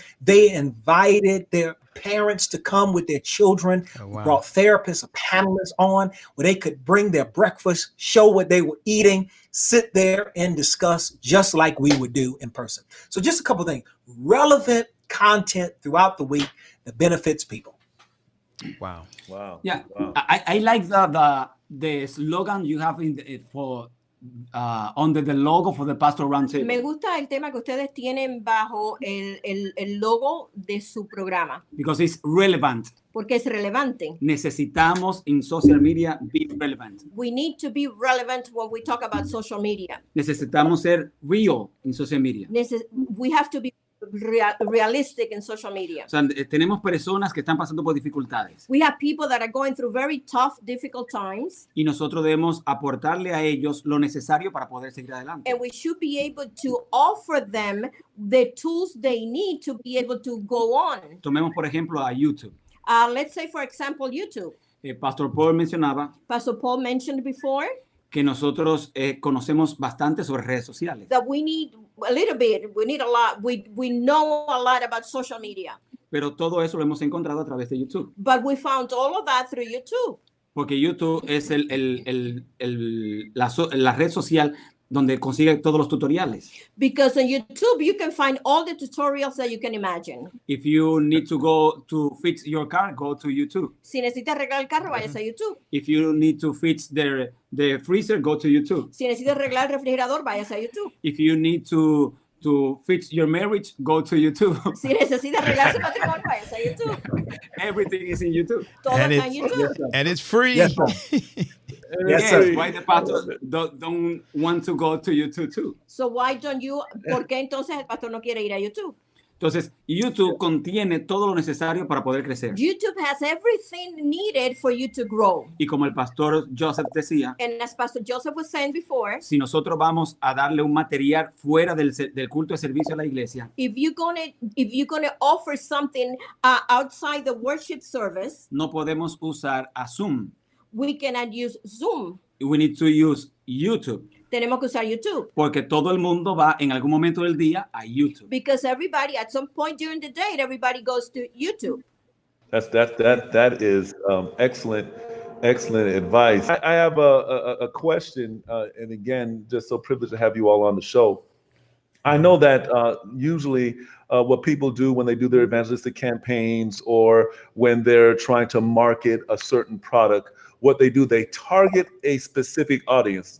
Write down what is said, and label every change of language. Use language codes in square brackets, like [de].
[en] They invited their parents to come with their children, brought therapists or panelists on where they could bring their breakfast, show what they were eating, sit there and discuss just like we would do in person. So just a couple of things, relevant content throughout the week that benefits people. Wow. Wow. Yeah. Wow. I like the slogan you have in the, for under the logo for the Pastor Roundtable. [es] Me gusta el tema que ustedes tienen bajo el logo de su programa. [en] Because it's relevant. [es] Porque es relevante. Necesitamos en [en] social media be relevant. We need to be relevant when we talk about social media. [es] Necesitamos ser real en social media. [en] We have to be realistic in social media. [es] O sea, tenemos personas que están pasando por dificultades. [en] We have people that are going through very tough, difficult times. [es] Y nosotros debemos aportarle a ellos lo necesario para poder seguir adelante. [en] And we should be able to offer them the tools they need to be able to go on. [es] Tomemos, por ejemplo, a YouTube. [en] Let's say, for example, YouTube. [es] Pastor Paul mencionaba. [en] Pastor Paul mentioned before. [es] Que nosotros conocemos bastante sobre redes sociales. [en] That we need a little bit, we need a lot, we know a lot about social media. [es] Pero todo eso lo hemos encontrado a través de YouTube. [en] But we found all of that through YouTube. [es] Porque YouTube es la red social donde consigue todos los tutoriales. [en] Because on YouTube you can find all the tutorials that you can imagine. If you need to go to fix your car, go to YouTube. [es] Si necesitas arreglar el carro, vayas a YouTube. [en] If you need to fix the freezer, go to YouTube. [es] Si necesitas arreglar el refrigerador, vayas a YouTube. [en] If you need to fix your marriage, go to YouTube. [es] Si necesitas arreglar su matrimonio, vayas a YouTube. [en] Everything is in YouTube. [es] Todo está en YouTube. [en] Yes, and it's free. Yes, sir. Yes, sir. Why the pastor don't want to go to YouTube too? So why don't you? [es] ¿Por qué entonces el pastor no quiere ir a YouTube? Entonces, YouTube contiene todo lo necesario para poder crecer. [en] YouTube has everything needed for you to grow. [es] Y como el pastor Joseph decía, [en] and as Pastor Joseph was saying before, [es] si nosotros vamos a darle un material fuera del culto de servicio a la iglesia, [en] if you're gonna offer something outside the worship service, [es] no podemos usar a Zoom. [en] We cannot use Zoom. We need to use YouTube. [es] Tenemos que usar YouTube. Porque todo el mundo va en algún momento del día a YouTube. [en] Because everybody, at some point during the day, everybody goes to YouTube. That is excellent, excellent advice. I have a question, and again, just so privileged to have you all on the show. I know that usually what people do when they do their evangelistic campaigns or when they're trying to market a certain product, what they do, they target a specific audience.